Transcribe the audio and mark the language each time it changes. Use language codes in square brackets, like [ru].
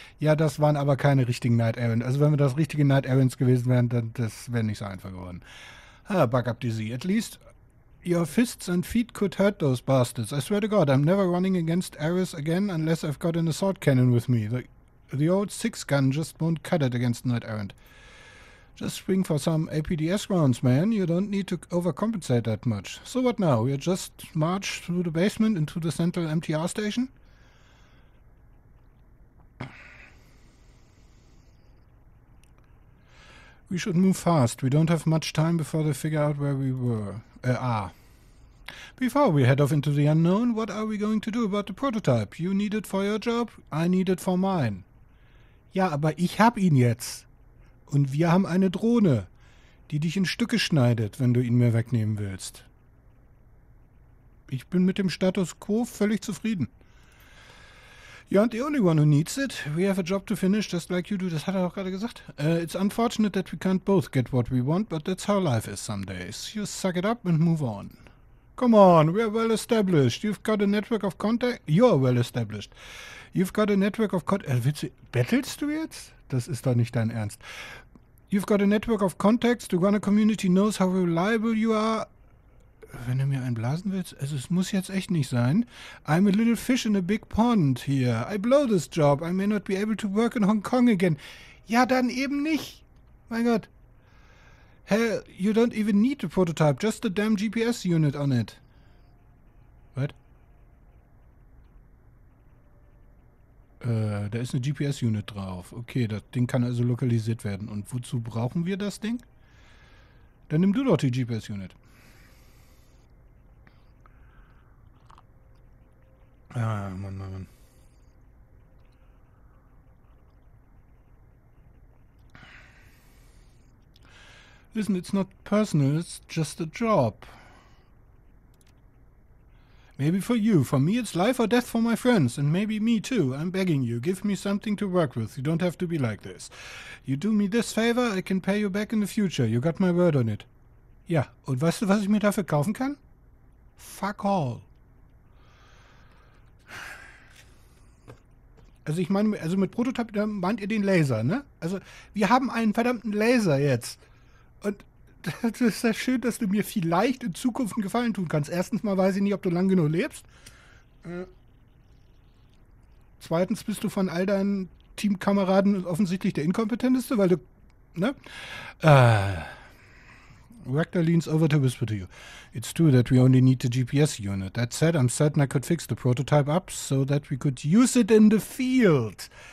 [de] Ja, das waren aber keine richtigen Night Errant. Also wenn wir das richtige Night Errants gewesen wären, dann das wäre nicht so einfach geworden. [en] Ah, back up Dizzy. At least your fists and feet could hurt those bastards. I swear to God, I'm never running against Ares again unless I've got an assault cannon with me. The old six gun just won't cut it against Night Errant. Just swing for some APDS rounds, man. You don't need to overcompensate that much. So what now? We just march through the basement into the central MTR station? We should move fast. We don't have much time before they figure out where we were. Before we head off into the unknown, what are we going to do about the prototype? You need it for your job, I need it for mine. [de] Ja, aber ich hab ihn jetzt. Und wir haben eine Drohne, die dich in Stücke schneidet, wenn du ihn mir wegnehmen willst. Ich bin mit dem Status quo völlig zufrieden. [en] You aren't the only one who needs it. We have a job to finish, just like you do. [de] Das hat er auch gerade gesagt. [en] It's unfortunate that we can't both get what we want, but that's how life is some days. You suck it up and move on. Come on, we are well established. You've got a network of contact. You're well established. You've got a network of contact. [de] Bettelst du jetzt? Das ist doch nicht dein Ernst. [en] You've got a network of contacts. The runner community knows how reliable you are. [de] Wenn du mir einen blasen willst, also es muss jetzt echt nicht sein. [en] I'm a little fish in a big pond here. I blow this job. I may not be able to work in Hong Kong again. [de] Ja, dann eben nicht. Mein Gott. [en] Hell, you don't even need the prototype. Just the damn GPS unit on it. What? [de] Da ist eine GPS-Unit drauf. Okay, das Ding kann also lokalisiert werden. Und wozu brauchen wir das Ding? Dann nimm du doch die GPS-Unit. Ah, Mann. [en] Listen, it's not personal, it's just a job. Maybe for you. For me, it's life or death for my friends. And maybe me, too. I'm begging you. Give me something to work with. You don't have to be like this. You do me this favor, I can pay you back in the future. You got my word on it. [de] Ja, und weißt du, was ich mir dafür kaufen kann? [en] Fuck all. [de] Also ich meine, also mit Prototyp meint ihr den Laser, ne? Also wir haben einen verdammten Laser jetzt. Und das ist ja schön, dass du mir vielleicht in Zukunft einen Gefallen tun kannst. Erstens mal weiß ich nicht, ob du lang genug lebst. Zweitens bist du von all deinen Teamkameraden offensichtlich der Inkompetenteste, weil du, ne? [en] Rector leans over to whisper to you. It's true that we only need the GPS unit. That said, I'm certain I could fix the prototype up so that we could use it in the field.